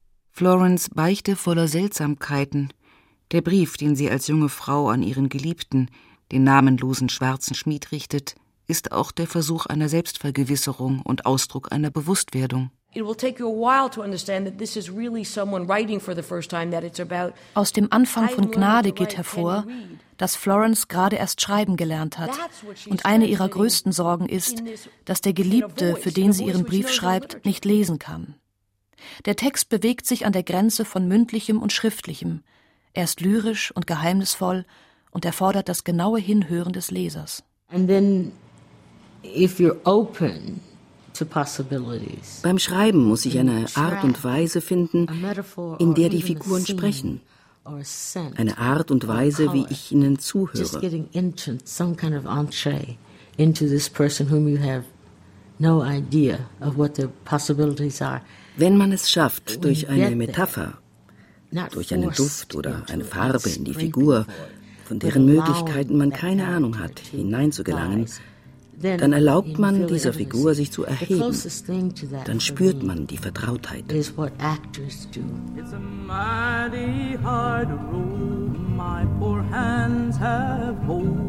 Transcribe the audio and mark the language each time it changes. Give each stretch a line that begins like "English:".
German: Florence' Beichte voller Seltsamkeiten, der Brief, den sie als junge Frau an ihren Geliebten, den namenlosen schwarzen Schmied, richtet, ist auch der Versuch einer Selbstvergewisserung und Ausdruck einer Bewusstwerdung.
English: It will take you a while to understand that this is really someone writing for the first time, that it's about.
German: Aus dem Anfang von Gnade geht hervor, dass Florence gerade erst schreiben gelernt hat und eine ihrer größten Sorgen ist, dass der Geliebte, für den sie ihren Brief schreibt, nicht lesen kann. Der Text bewegt sich an der Grenze von mündlichem und schriftlichem. Er ist lyrisch und geheimnisvoll und erfordert das genaue Hinhören des Lesers.
English: And then if you're open to possibilities.
German: Beim Schreiben muss ich eine Art und Weise finden, in der die Figuren sprechen. Eine Art und Weise, wie ich ihnen zuhöre.
English: Some kind of entree into this person whom you have no idea of what the possibilities are.
German: Wenn man es schafft, durch eine Metapher, durch einen Duft oder eine Farbe in die Figur, von deren Möglichkeiten man keine Ahnung hat, hineinzugelangen, dann erlaubt man dieser Figur, sich zu erheben. Dann spürt man die Vertrautheit.
English: It's a mighty hard road my poor hands have pulled.